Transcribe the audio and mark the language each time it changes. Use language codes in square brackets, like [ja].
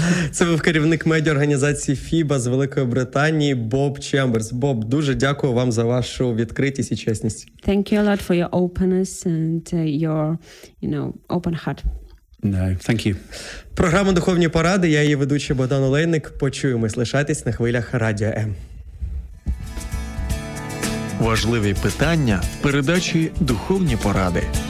[uk] Це був керівник медіаорганізації FIBA з Великої Британії Боб Чемберс. Боб, дуже дякую вам за вашу відкритість і чесність. [en] Thank you a lot for your openness and your, you know, open heart. No, thank you. [uk] Програма «Духовні поради», я її ведучий Богдан Олейник. Почуємось, лишайтесь на хвилях Радіо М. Важливі питання в передачі «Духовні поради».